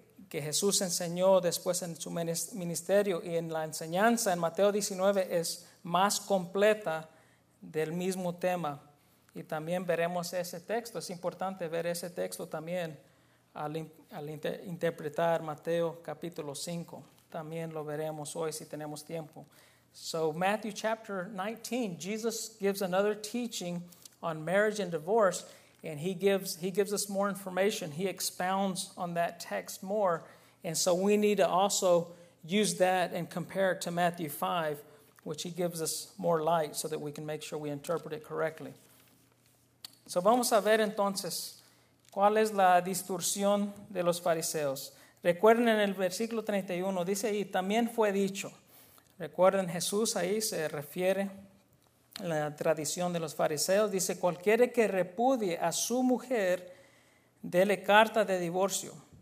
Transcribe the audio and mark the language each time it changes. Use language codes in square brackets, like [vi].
[es] que Jesús enseñó después en su ministerio y en la enseñanza en Mateo 19 es más completa del mismo tema. Y también veremos ese texto. Es importante ver ese texto también al interpretar Mateo capítulo 5. También lo veremos hoy si tenemos tiempo. [en] So Matthew chapter 19, Jesus gives another teaching on marriage and divorce, and he gives us more information. He expounds on that text more, and so we need to also use that and compare it to Matthew 5, which he gives us more light so that we can make sure we interpret it correctly. [es] So vamos a ver entonces cuál es la distorsión de los fariseos. Recuerden en el versículo 31, dice ahí, también fue dicho. Recuerden, Jesús ahí se refiere a la tradición de los fariseos. Dice, cualquiera que repudie a su mujer, dele carta de divorcio.